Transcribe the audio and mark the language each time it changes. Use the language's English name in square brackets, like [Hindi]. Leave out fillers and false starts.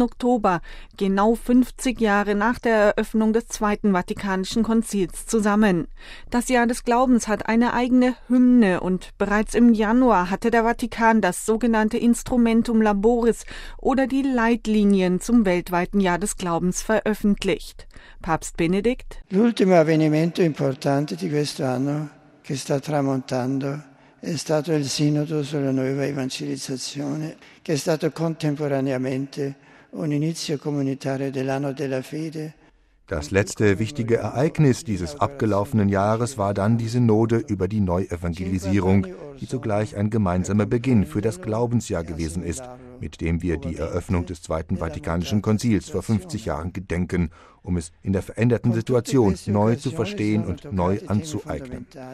[German] Oktober, genau 50 Jahre nach der Eröffnung des Zweiten Vatikanischen Konzils, zusammen. Das Jahr des Glaubens hat eine eigene Hymne und bereits im Januar hatte der Vatikan das sogenannte Instrumentum Laboris oder die Leitlinien zum weltweiten Jahr des Glaubens veröffentlicht. Papst Benedikt: [Italian] L'ultimo avvenimento importante di quest'anno che sta tramontando è stato il Sinodo sulla nuova evangelizzazione che è stato contemporaneamente un inizio comunitario dell'anno della fede. [German] Das letzte wichtige Ereignis dieses abgelaufenen Jahres war dann die Synode über die Neuevangelisierung, die zugleich ein gemeinsamer Beginn für das Glaubensjahr gewesen ist, mit dem wir die Eröffnung des Zweiten Vatikanischen Konzils vor 50 Jahren gedenken, um es in der veränderten Situation neu zu verstehen und neu anzueignen.